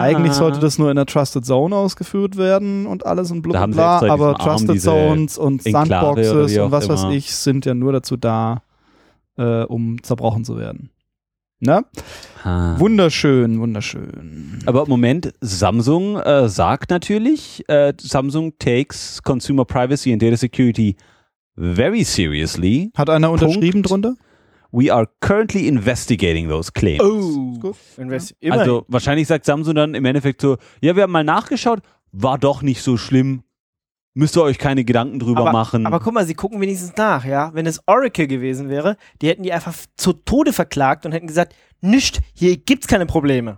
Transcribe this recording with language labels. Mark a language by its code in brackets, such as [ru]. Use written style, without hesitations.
[de] Eigentlich sollte das nur in der Trusted Zone ausgeführt werden und alles und blub, bla, aber Trusted Zones und Sandboxes und was weiß ich sind ja nur dazu da, um zerbrochen zu werden. Na? Wunderschön, wunderschön. Aber Moment, Samsung sagt natürlich, [en] Samsung takes consumer privacy and data security very seriously. [de] Hat einer unterschrieben drunter? [en] We are currently investigating those claims. [de] Oh, gut. Also wahrscheinlich sagt Samsung dann im Endeffekt so, ja, wir haben mal nachgeschaut, war doch nicht so schlimm. Müsst ihr euch keine Gedanken drüber machen. Aber guck mal, sie gucken wenigstens nach, ja. Wenn es Oracle gewesen wäre, die hätten die einfach zu Tode verklagt und hätten gesagt, nischt, hier gibt's keine Probleme.